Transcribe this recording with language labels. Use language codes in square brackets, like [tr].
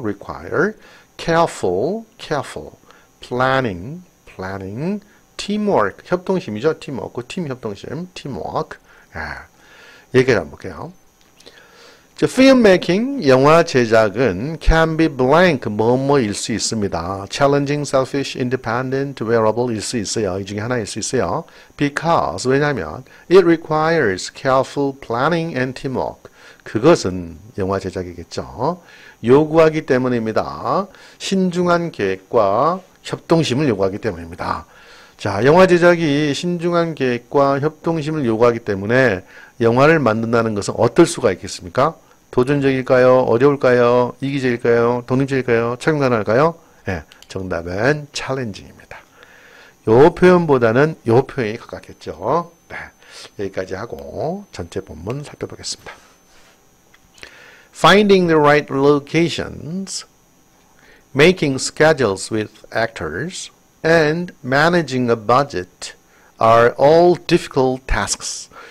[en] require careful planning teamwork [ko] 협동심이죠. 팀워크 팀 협동심 teamwork. 예. 얘기를 한번 볼게요. filmmaking, 영화 제작은 [en] can be blank, [ko] 뭐뭐일 수 있습니다. [en] challenging, selfish, independent, wearable일 [ko] 수 있어요. 이 중에 하나일 수 있어요. [en] because, [ko] 왜냐면, [en] it requires careful planning and teamwork. [ko] 그것은 영화 제작이겠죠. 요구하기 때문입니다. 신중한 계획과 협동심을 요구하기 때문입니다. 자, 영화 제작이 신중한 계획과 협동심을 요구하기 때문에 영화를 만든다는 것은 어떨 수가 있겠습니까? 도전적일까요? 어려울까요? 이기적일까요? 독립적일까요? 착용 가능할까요? 예, 정답은 챌린징입니다. 요 표현보다는 요 표현이 가깝겠죠? 네, 여기까지 하고 전체 본문 살펴보겠습니다. [en] Finding the right locations, making schedules with actors, and managing a budget are all difficult tasks.